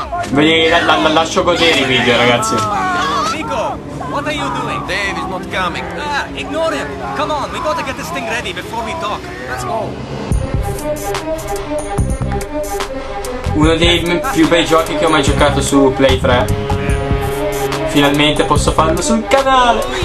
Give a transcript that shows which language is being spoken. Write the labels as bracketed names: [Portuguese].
[Italian] Venire, lascio godere i video, ragazzi. [English] Nico, what are you doing? Dave is not coming. Ignore him. Come on, we gotta get this thing ready before we talk. Let's go. [Italian] Uno dei più bei giochi che ho mai giocato su Play 3. Finalmente posso farlo sul canale.